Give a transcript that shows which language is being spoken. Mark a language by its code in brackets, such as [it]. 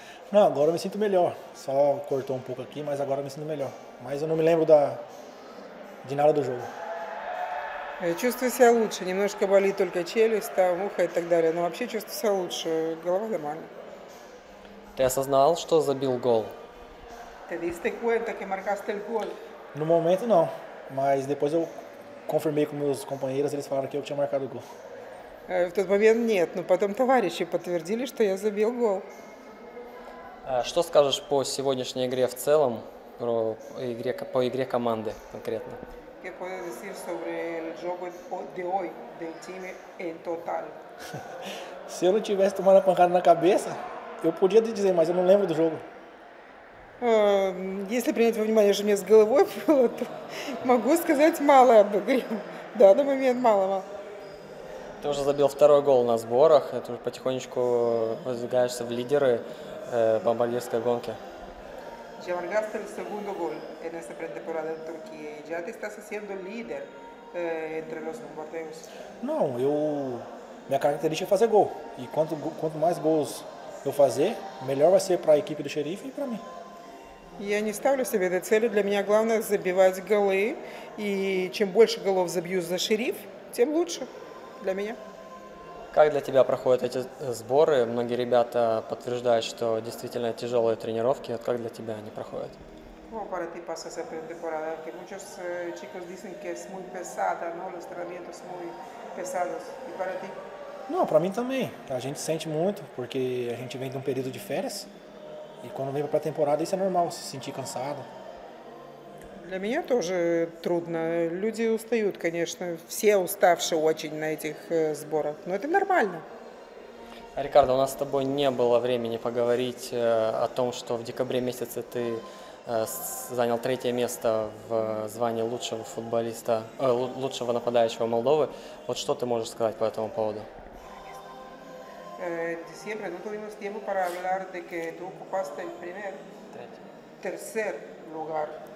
[pt] Não, agora eu me sinto melhor. Só cortou pouco aqui, mas agora eu me sinto melhor. Mas eu não me lembro de nada do jogo. [ru] Чувствую себя лучше. Немножко болит только челюсть, там, ухо и так далее. Но вообще чувствую себя лучше. Голова нормально. Ты осознал, что забил гол? Ты [es] diste cuenta que marcaste el gol? [pt] No momento não, mas depois eu confirmei com meus companheiros, eles falaram que eu tinha marcado gol. [ru] В тот момент нет, но потом товарищи подтвердили, что я забил гол. Что скажешь по сегодняшней игре в целом, по игре команды конкретно? [es] Que puedes decir sobre el juego de hoy del time en total? Si yo [pt] no tivesse tomado a pancada na cabeça, eu podia te dizer, mas eu não lembro do jogo. [ru] Если принять во внимание, что у меня с головой было, то могу сказать мало об игре. В данный момент мало-мало. Ты уже забил второй гол на сборах, ты уже потихонечку выдвигаешься в лидеры бомбардирской гонки. [es] Ya marcaste el segundo gol en esta pretemporada en Turquía y ya te estás haciendo líder entre los bombardeos. No, mi característica es hacer gol. Y cuanto más gols yo hacer, mejor va a ser para la equipo del Sheriff y para mí. [ru] Я не ставлю себе этой цели. Для меня главное забивать голы. И чем больше голов забью за Шериф, тем лучше для меня. Как для тебя проходят эти сборы? Многие ребята подтверждают, что действительно тяжелые тренировки. Вот как для тебя они проходят? [es] Ну, para ti pasa esa pretemporada, que muchos chicos dicen que es muy pesada, ¿no? Los entrenamientos muy pesados. ¿Y para ti? No, para mí también. [pt] A gente sente muito, porque a gente vem de um período de férias. E quando vem para a temporada, isso é normal, se sentir cansado. [ru] Для меня тоже трудно. Люди устают, конечно. Все уставшие очень на этих сборах. Но это нормально. Рикардо, у нас с тобой не было времени поговорить о том, что в декабре месяце ты занял третье место в звании лучшего футболиста, лучшего нападающего Молдовы. Вот что ты можешь сказать по этому поводу? [es] Siempre no tuvimos tiempo para hablar de que tú ocupaste el primer, tercer lugar.